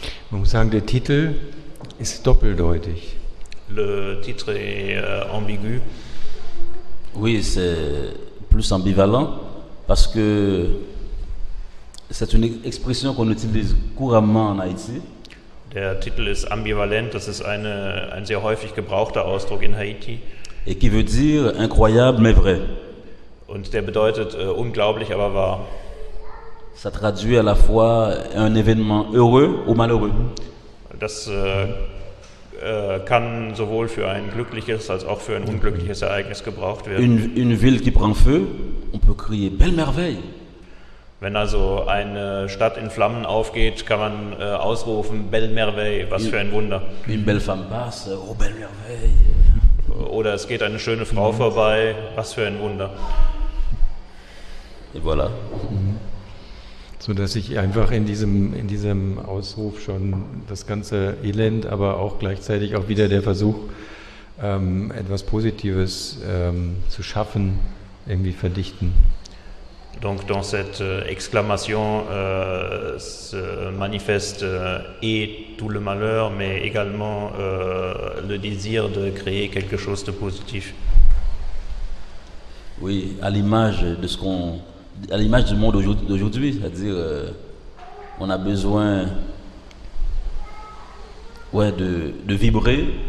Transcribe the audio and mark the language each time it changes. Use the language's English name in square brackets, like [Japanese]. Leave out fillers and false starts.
[German] Man muss sagen, der Titel ist doppeldeutig. [French] Le titre est ambigu. Oui, c'est plus ambivalent, parce que c'est une expression qu'on utilise couramment en Haïti. [German] Der Titel ist ambivalent, das ist ein sehr häufig gebrauchter Ausdruck in Haiti. [French] Et qui veut dire incroyable mais vrai. [German] Und der bedeutet unglaublich, aber wahr. [French] Ça traduit à la fois un événement heureux ou malheureux. [German] Das kann sowohl für ein glückliches als auch für ein unglückliches Ereignis gebraucht werden. [French] Une ville qui prend feu, on peut crier belle merveille. [German] Wenn also eine Stadt in Flammen aufgeht, kann man ausrufen, Belle Merveille, was für ein Wunder. [French] Une belle femme passe, oh belle merveille. [German] Oder es geht eine schöne Frau vorbei, was für ein Wunder. [French] Et voilà. [German] So dass ich einfach in diesem Ausruf schon das ganze Elend, aber auch gleichzeitig auch wieder der Versuch, etwas Positives zu schaffen, irgendwie verdichten. [French] Donc dans cette exclamation se manifeste et tout le malheur, mais également le désir de créer quelque chose de positif. Oui, à l'image de ce qu'on, à l'image du monde d'aujourd'hui, c'est-à-dire on a besoin, ouais, de vibrer.